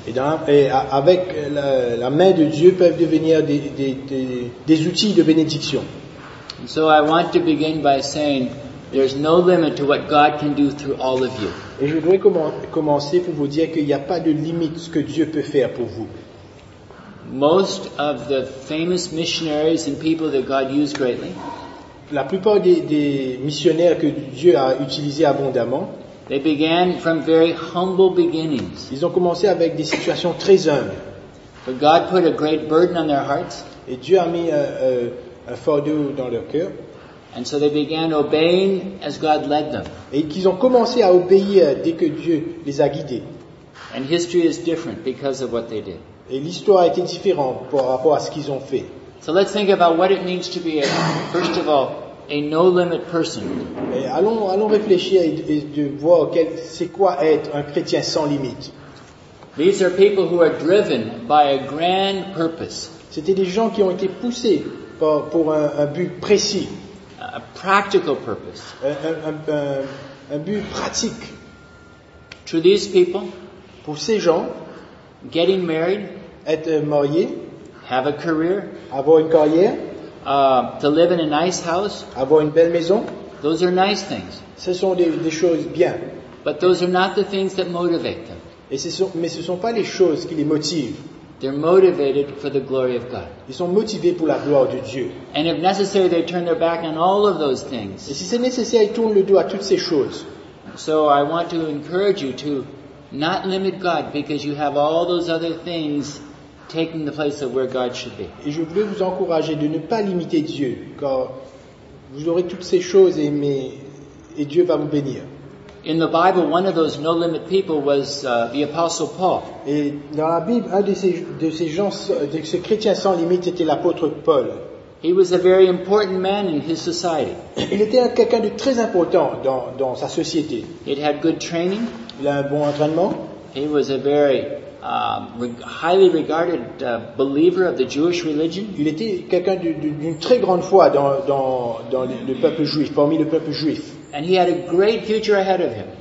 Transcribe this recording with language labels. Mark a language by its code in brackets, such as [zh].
[fr] Et avec la main de Dieu peuvent devenir des outils de bénédiction. [en] So I want to begin by saying there's no limit to what God can do through all of you. [fr] Et je voudrais commencer pour vous dire qu'il n'y a pas de limite ce que Dieu peut faire pour vous. [en] Most of the famous missionaries and people that God used greatly. [fr] La plupart des missionnaires que Dieu a utilisés abondamment. [en] They began from very humble beginnings. [fr] Ils ont commencé avec des situations très humbles. [en] But God put a great burden on their hearts. [fr] Et Dieu a mis un fardeau dans leur cœur. [en] And so they began obeying as God led them. [fr] Et qu'ils ont commencé à obéir dès que Dieu les a guidés. [en] And history is different because of what they did. [fr] Et l'histoire était différente par rapport à ce qu'ils ont fait. [en] So let's think about what it means to be a, first of all, a no-limit person. [fr] Et allons réfléchir et de voir c'est quoi être un chrétien sans limite. [en] These are people who are driven by a grand purpose. [fr] C'était des gens qui ont été poussés pour un but précis. [en] A practical purpose. [fr] Un but pratique. [en] To these people, [fr] pour ces gens, [en] getting married, [fr] être marié, [en] have a career, [fr] avoir une carrière, [en] to live in a nice house, [fr] avoir une belle maison, [en] those are nice things. [fr] Ce sont des choses bien. [en] But those are not the things that motivate them. [fr] Mais ce sont pas les choses qui les motivent. [en] They're motivated for the glory of God. [fr] Ils sont motivés pour la gloire de Dieu. [en] And if necessary, they turn their back on all of those things. [fr] Et si c'est nécessaire, ils tournent le dos à toutes ces choses. [en] So I want to encourage you to not limit God because you have all those other things taking the place of where God should be. [fr] Et je voulais vous encourager de ne pas limiter Dieu, car vous aurez toutes ces choses et Dieu va vous bénir. [en] In the Bible, one of those no-limit people was the Apostle Paul. [fr] Et dans la Bible, un de ces chrétiens sans limite était l'apôtre Paul. [en] He was a very important man in his society. [fr] Il était quelqu'un de très important dans sa société. [en] He had good training. [fr] Il a un bon entraînement. [en] He was a very highly regarded believer of the Jewish religion. [fr] Il était quelqu'un d'une très grande foi dans le peuple juif, parmi le peuple juif. [en] And he had a great future ahead of him.